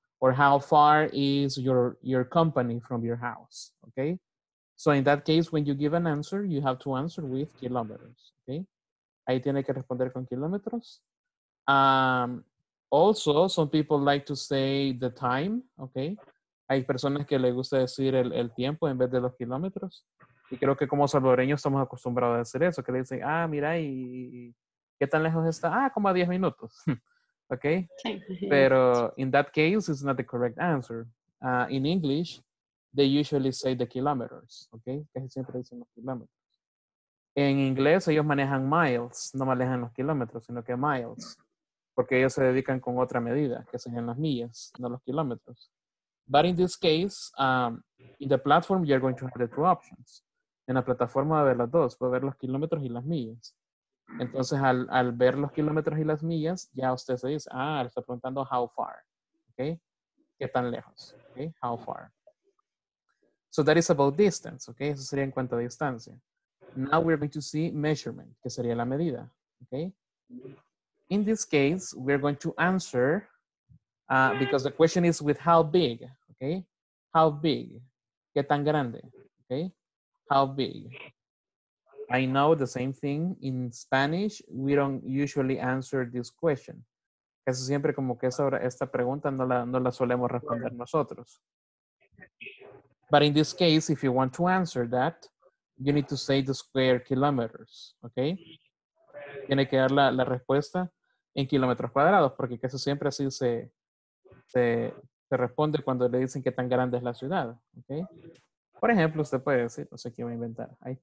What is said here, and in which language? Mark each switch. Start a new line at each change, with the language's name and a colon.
English: Or how far is your company from your house, okay? So in that case, when you give an answer, you have to answer with kilometers, okay?
Spanish: Ahí tiene que responder con kilómetros.
English: Also, some people like to say the time, okay?
Spanish: Hay personas que les gusta decir el tiempo en vez de los kilómetros. Y creo que como salvadoreños estamos acostumbrados a hacer eso, que le dicen, ah, mira, ¿y qué tan lejos está? Ah, como a 10 minutos. Okay?
English: Pero in that case, it's not the correct answer. In English, they usually say the kilometers, okay?
Spanish: Casi siempre dicen los kilómetros. En inglés ellos manejan miles, no manejan los kilómetros, sino que miles. Porque ellos se dedican con otra medida, que son las millas, no los kilómetros.
English: But in this case, in the platform, you're going to have the two options.
Spanish: En la plataforma va a ver las dos, va a ver los kilómetros y las millas. Entonces, al ver los kilómetros y las millas, ya usted se dice, ah, le está preguntando
English: how far.
Spanish: Okay? ¿Qué tan lejos? Okay?
English: How far? So that is about distance. Okay?
Spanish: Eso sería en cuanto a distancia.
English: Now we're going to see measurement,
Spanish: que sería la medida.
English: Okay? In this case, we're going to answer, because the question is with how big, okay? How big?
Spanish: ¿Qué tan grande?
English: Okay? How big? I know the same thing in Spanish. We don't usually answer this question.
Spanish: Es siempre como que esta pregunta no la solemos responder nosotros.
English: But in this case, if you want to answer that, you need to say the square kilometers, okay?
Spanish: Tiene que dar la respuesta en kilómetros cuadrados, porque casi siempre así se responde cuando le dicen qué tan grande es la ciudad. Okay? Por ejemplo, usted puede decir, no sé qué va a inventar.